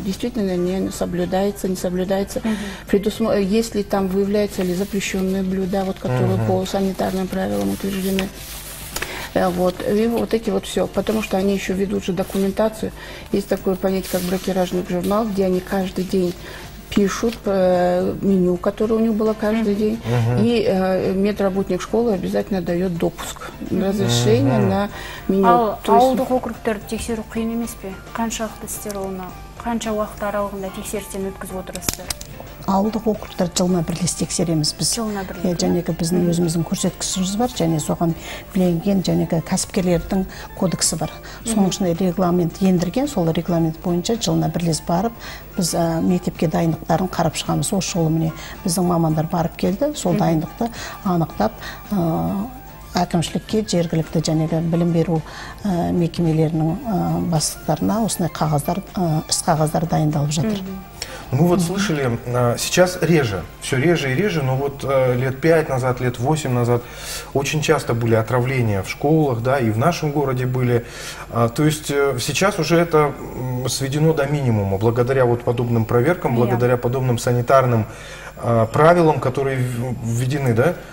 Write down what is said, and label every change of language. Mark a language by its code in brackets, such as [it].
[ru] Действительно, не соблюдается, не соблюдается. Если там выявляются ли запрещенные блюда, вот, которые по санитарным правилам утверждены. Вот. И вот эти вот все. Потому что они еще ведут же документацию. Есть такое понятие, как брокеражный журнал, где они каждый день пишут меню, которое у них было каждый день, и медработник школы обязательно дает допуск, разрешение на меню. [kk] Ауылдық округтерді тексеру қиын емес пе? Қанша уақыт істер оны? Қанша уақыт аралығында тексерістен өткізіп отырасыздар? Ауылдық округтерді жылына бір рет тексереміз біз. Жылына бір рет. Жәнегі біздің өзіміздің көрсеткішіміз бар, және соған білінген жәнегі кәсіпкерлердің кодексі бар. Соның ішінде регламент ендірген, сол регламент бойынша жылына бір рет барып, біз мектепке дайындықтарын қарап шығамыз. Осы жолы міне біздің мамандар барып келді, сол дайындықты анықтап, әкімшілікке жергілікті жәнегі білім беру мекемелерінің бастықтарына осындай қағаздар, іс қағаздар дайындалып жатыр. [ru] Мы вот слышали, сейчас реже, все реже и реже, но вот лет 5 назад, лет 8 назад очень часто были отравления в школах, да, и в нашем городе были. То есть сейчас уже это сведено до минимума, благодаря вот подобным проверкам, благодаря подобным санитарным правилам, которые введены, да?